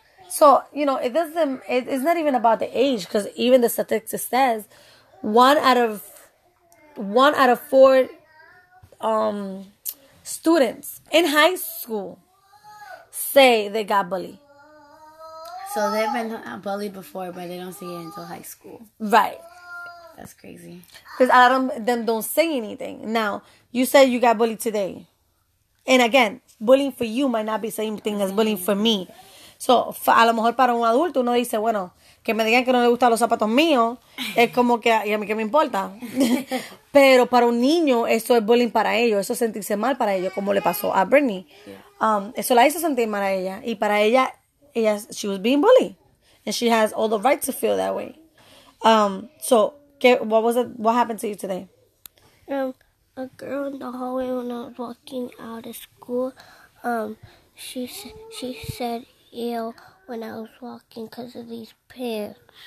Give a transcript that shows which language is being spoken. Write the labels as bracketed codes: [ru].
[en] So, you know, it's not even about the age, because even the statistics says one out of four students in high school say they got bullied. So they've been bullied before, but they don't see it until high school. Right. That's crazy. Because a lot of them don't say anything. Now, you said you got bullied today. And again, bullying for you might not be the same thing as bullying for me. [es] So, a lo mejor para un adulto uno dice, bueno, que me digan que no le gustan los zapatos míos, es como que, ¿y a mí qué me importa? Pero para un niño eso es bullying para ellos, eso es sentirse mal para ellos, como le pasó a Britney. Eso la hizo sentir mal a ella, y para ella, [en] she was being bullied. And she has all the right to feel that way. What happened to you today? A girl in the hallway when I was walking out of school, she said ew when I was walking because of these pants.